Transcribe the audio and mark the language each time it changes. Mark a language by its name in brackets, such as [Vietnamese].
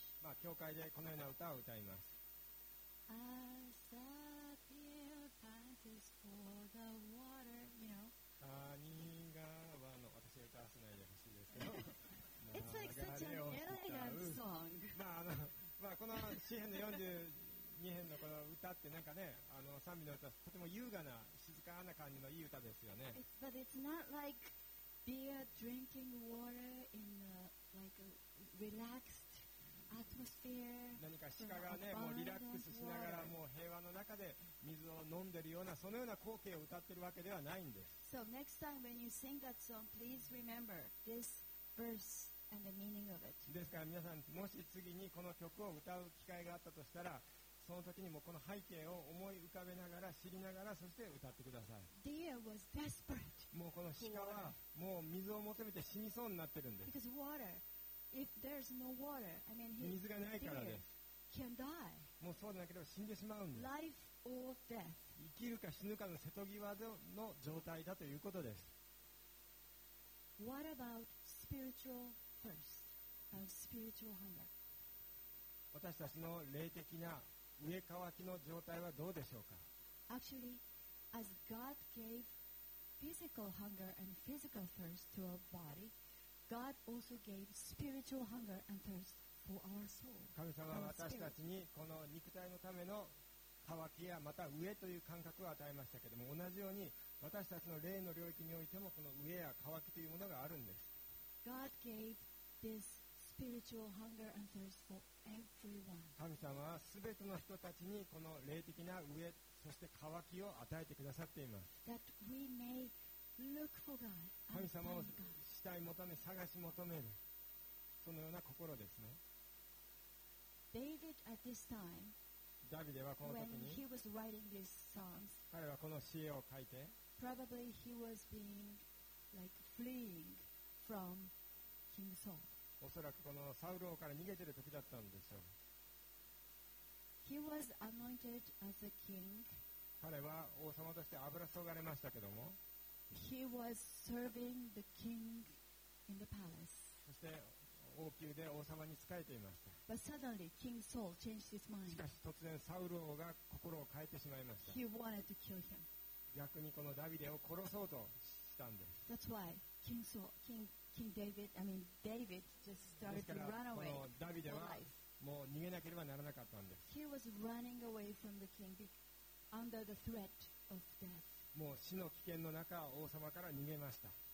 [Japanese] まあ、教会でこのような歌を歌います。 [English] As a deer pants for the water, you know. [Japanese] 谷川の私が歌わせないでほしいですけど。 [English] It's like such an elegant song. [Japanese] この詩編の42編のこの歌ってなんかね、賛美の歌、とても優雅な、静かな感じのいい歌ですよね。 [English] But it's not like... Deer drinking water in a, like a relaxed [Japanese] 何か鹿がね、もうリラックスしながら、もう平和の中で水を飲んでるような、そのような光景を歌ってるわけではないんです。 [English] So next time when you sing that song, please remember this verse and the meaning of it. [Japanese] ですから皆さん、もし次にこの曲を歌う機会があったとしたら、その時にもこの背景を思い浮かべながら、知りながら、そして歌ってください。 [English] Deer was desperate. [Japanese] もうこの鹿はもう水を求めて死にそうになってるんです。 [English] Because water. If there's no water, I mean, he [Japanese] 水がないからです。 [English] can die. [Japanese] もうそうでなければ死んでしまうんです。 [English] Life or death. [Japanese] 生きるか死ぬかの瀬戸際の状態だということです。 [English] What about spiritual thirst and spiritual hunger? [Japanese] 私たちの霊的な飢え渇きの状態はどうでしょうか。 [English] Actually, as God gave physical hunger and physical thirst to our bodyGod also gave spiritual hunger and thirst for our soul. [Japanese] 神様は私たちにこの肉体のための渇きや、また飢えという感覚を与えましたけれども、同じように私たちの霊の領域においてもこの飢えや渇きというものがあるんです。 [English] God gave this spiritual hunger and thirst for everyone. [Japanese] 神様はすべての人たちにこの霊的な飢え、そして渇きを与えてくださっています。 [English] That we may look for God. [Japanese] 神様を期待求め、探し求める、そのような心ですね。 [English] David at this time, [Japanese] ダビデはこの時に、 [English] when he was writing these songs, [Japanese] 彼はこの詩を書いて、 [English] probably he was being like fleeing from King Saul. [Japanese] おそらくこのサウル王から逃げてる時だったんでしょう。 [English] He was anointed as a king. [Japanese] 彼は王様として油注がれましたけども。 [English] He was serving the king in the palace. [Japanese] そして王宮で王様に仕えていました。 [English] But suddenly, King Saul changed his mind. [Japanese] しかし突然サウル王が心を変えてしまいました。 [English] He wanted to kill him. [Japanese] 逆にこのダビデを殺そうとしたんです。 [English] That's why King Saul, King David, I mean David, just started to run away. [Japanese] このダビデはもう逃げなければならなかったんです。 [English] He was running away from the king under the threat of death. [Japanese] もう死の危険の中、王様から逃げました。